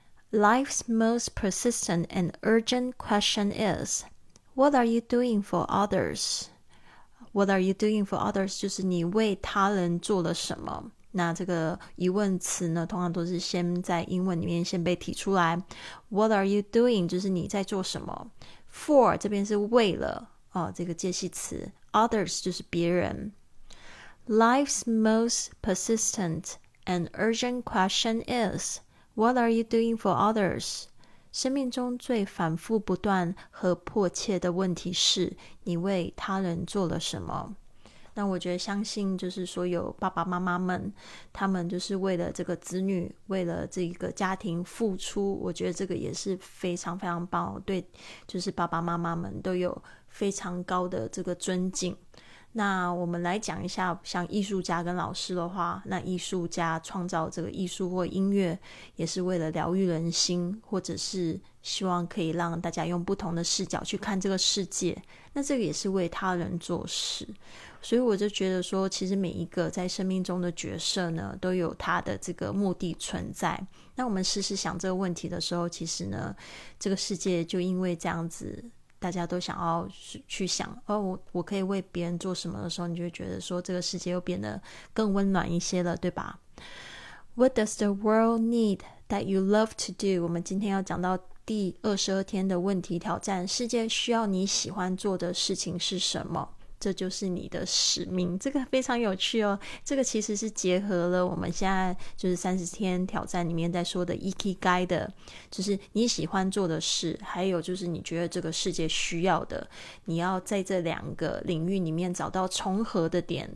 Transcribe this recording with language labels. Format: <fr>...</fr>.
<en>Life's most persistent and urgent question is, What are you doing for others? What are you doing for others?</en> <zh>就是你为他人做了什么？那这个疑问词呢，通常都是先在英文里面先被提出来。</zh> <en>What are you doing?</en> <zh>就是你在做什么。For 这边是为了，这个介系词。 Others 就是别人。</zh> <en>Life's most persistent and urgent question is, What are you doing for others?</en> <zh>生命中最反复不断和迫切的问题是，你为他人做了什么？那我觉得相信就是所有爸爸妈妈们，他们就是为了这个子女，为了这个家庭付出，我觉得这个也是非常非常棒，对就是爸爸妈妈们都有非常高的这个尊敬。那我们来讲一下，像艺术家跟老师的话，那艺术家创造这个艺术或音乐也是为了疗愈人心，或者是希望可以让大家用不同的视角去看这个世界，那这个也是为他人做事。所以我就觉得说，其实每一个在生命中的角色呢，都有他的这个目的存在。那我们时时想这个问题的时候，其实呢这个世界就因为这样子，大家都想要去想，哦，我可以为别人做什么的时候，你就觉得说这个世界又变得更温暖一些了，对吧？</zh> <en>What does the world need that you love to do?</en> <zh>我们今天要讲到第22天的问题挑战，世界需要你喜欢做的事情是什么？这就是你的使命。这个非常有趣哦，这个其实是结合了我们现在就是30天挑战里面在说的 Ikigai 的，就是你喜欢做的事，还有就是你觉得这个世界需要的，你要在这两个领域里面找到重合的点。</zh>